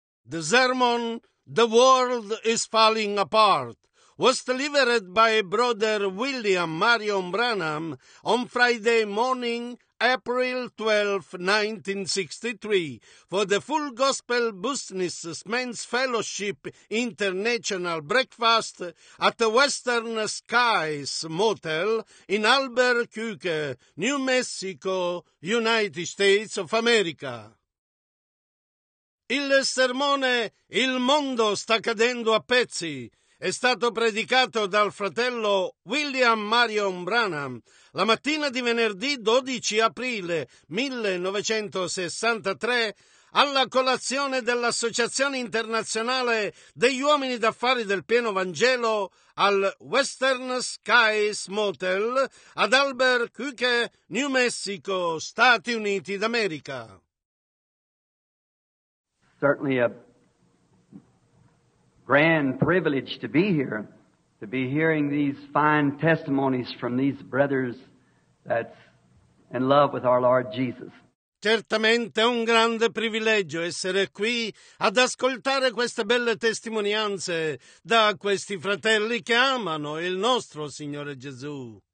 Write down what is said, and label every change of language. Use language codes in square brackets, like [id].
[en] The sermon, "The World is Falling Apart," was delivered by Brother William Marion Branham on Friday morning, April 12, 1963, for the Full Gospel Business Men's Fellowship International Breakfast at the Western Skies Motel in Albuquerque, New Mexico, United States of America. [it] Il sermone "Il mondo sta cadendo a pezzi" è stato predicato dal fratello William Marion Branham la mattina di venerdì 12 aprile 1963 alla colazione dell'Associazione Internazionale degli Uomini d'Affari del Pieno Vangelo al Western Skies Motel ad Albuquerque, New Mexico, Stati Uniti d'America. [en] Certainly a grand privilege to be here, to be hearing these fine testimonies from these brothers that's in love with our Lord Jesus. [it] Certamente un grande privilegio essere qui ad ascoltare queste belle testimonianze da questi fratelli che amano il nostro Signore Gesù.